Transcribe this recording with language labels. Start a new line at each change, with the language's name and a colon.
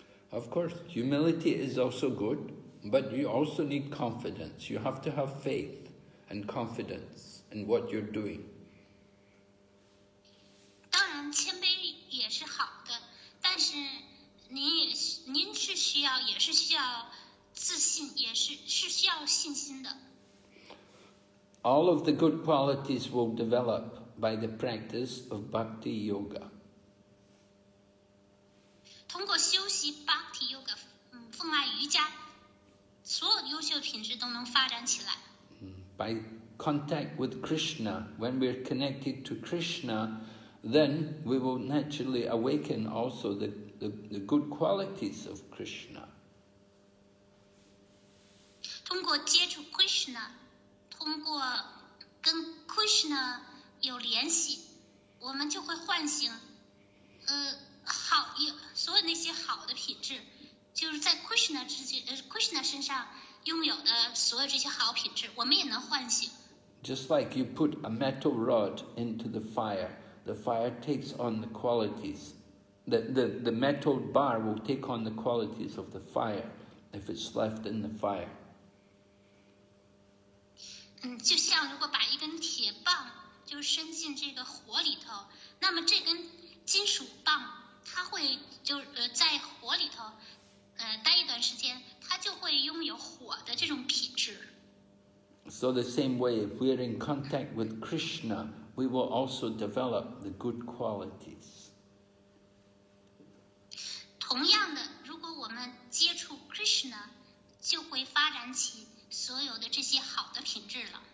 English: Of course, humility is also good, but you also need confidence. You have to have faith and confidence in what you're doing.
Chinese: 当然，谦卑也是好的，但是您是需要自信，也是需要信心的。
English: All of the good qualities will develop by the practice of Bhakti Yoga.
Chinese: 通过修习 Bhakti Yoga, 奉爱瑜伽，所有优秀品质都能发展起来。
English: By contact with Krishna, when we are connected to Krishna, then we will naturally awaken also the good qualities of Krishna.
Chinese: 通过接触 Krishna,通过跟 Krishna 有联系，我们就会唤醒，好，所有那些好的品质，就是在 Krishna 身上拥有的所有这些好品质，我们也能唤醒。
English: Just like you put a metal rod into the fire takes on the qualities. The metal bar will take on the qualities of the fire if it's left in the fire.
Chinese: 就像如果把一根铁棒就伸进这个火里头，那么这根金属棒它会就在火里头待一段时间，它就会拥有火的这种品质。
English: So the same way, if we are in contact with Krishna, we will also develop the good qualities.
Chinese: 同样的，如果我们接触 Krishna, 就会发展起所有的这些好的品质了。